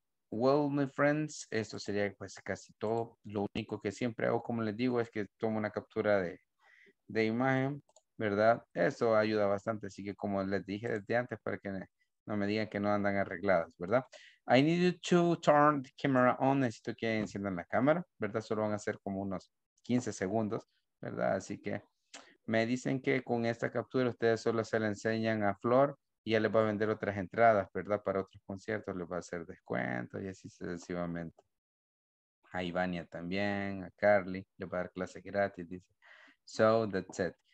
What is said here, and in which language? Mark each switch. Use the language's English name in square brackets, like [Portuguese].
[English] Well, my friends, [Spanish] esto sería pues casi todo. Lo único que siempre hago, como les digo, es que tomo una captura de imagen, ¿verdad? Eso ayuda bastante. Así que como les dije desde antes, para que no me digan que no andan arregladas, ¿verdad? [English] I need you to turn the camera on. [Spanish] Necesito que enciendan la cámara, ¿verdad? Solo van a ser como unos 15 segundos, ¿verdad? Así que me dicen que con esta captura ustedes solo se la enseñan a Flor y ya les va a vender otras entradas, ¿verdad? Para otros conciertos les va a hacer descuentos y así sucesivamente. A Ivania también, a Carly, les va a dar clases gratis, dice. [English] So, that's it.